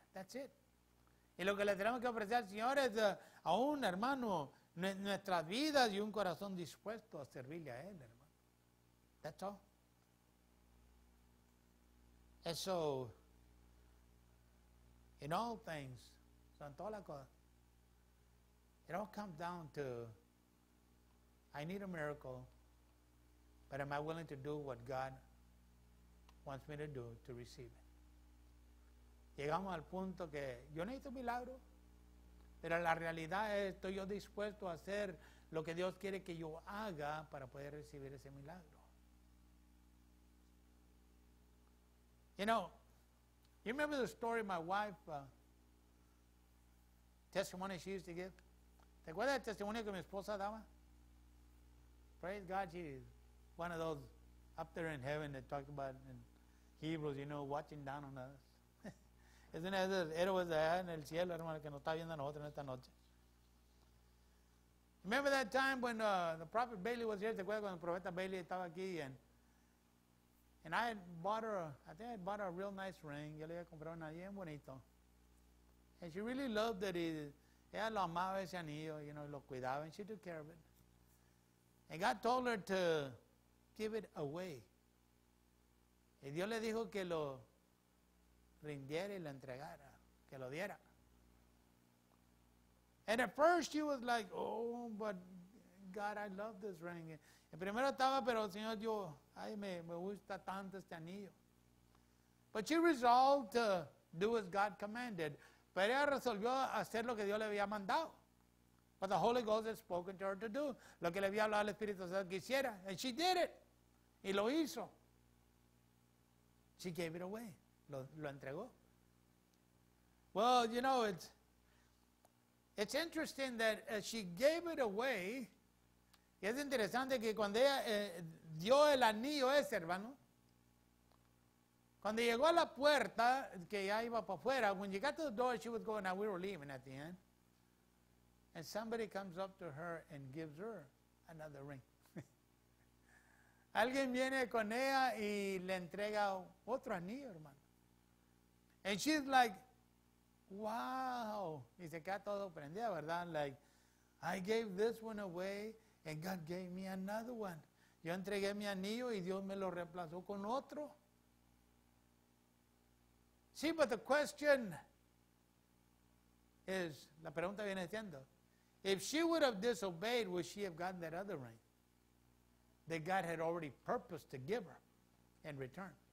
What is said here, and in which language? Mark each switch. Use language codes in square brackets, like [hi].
[en] That's it. [es] Y lo que le tenemos que ofrecer al Señor es a un hermano, nuestras vidas y un corazón dispuesto a servirle a Él, hermano. [en] That's all. And so, in all things, so [es] en todas las cosas, [en] it all comes down to, I need a miracle, but am I willing to do what God wants me to do to receive it? [es] Llegamos al punto que yo necesito un milagro, pero la realidad es, estoy yo dispuesto a hacer lo que Dios quiere que yo haga para poder recibir ese milagro. [en] You know, you remember the story of my wife, testimony she used to give? [es] ¿Te acuerdas del testimonio que mi esposa daba? [en] Praise God, she's one of those up there in heaven that talked about in Hebrews, you know, watching down on us. [es] Es una de esos héroes allá en el cielo, hermano, que nos está viendo a nosotros en esta noche. [en] Remember that time when the prophet Bailey was here? [es] ¿Te acuerdas cuando el profeta Bailey estaba aquí? [en] And I had bought her, I think I had bought her a real nice ring. [es] Yo le había comprado un anillo bien bonito. [en] And she really loved it. [es] Ella lo amaba ese anillo, [en] you know, [es] lo cuidaba. [en] And she took care of it. And God told her to give it away. [es] Y Dios le dijo que lo rindiera y lo entregara, que lo diera. [en] And at first she was like, oh, but God, I love this ring. [es] El primero estaba, pero Señor, yo, ay, me gusta tanto este anillo. [en] But she resolved to do as God commanded. [es] Pero ella resolvió hacer lo que Dios le había mandado. [en] But the Holy Ghost had spoken to her to do. [es] Lo que le había hablado al Espíritu Santo que hiciera. [en] And she did it. [es] Y lo hizo. [en] She gave it away. [es] Lo entregó. [en] Well, you know, it's interesting that she gave it away. [es] Y es interesante que cuando ella dio el anillo ese, hermano, cuando llegó a la puerta, que ya iba para afuera, [en] when she got to the door, she was going, now we were leaving at the end. And somebody comes up to her and gives her another ring. [es] Alguien viene con ella y le entrega otro anillo, hermano. [en] And she's like, wow. [es] Y se queda todo prendida, ¿verdad? [en] Like, I gave this one away and God gave me another one. [es] Yo entregué mi anillo y Dios me lo reemplazó con otro. [en] See, but the question is, [es] la pregunta viene siendo, [en] if she would have disobeyed, would she have gotten that other ring that God had already purposed to give her in return?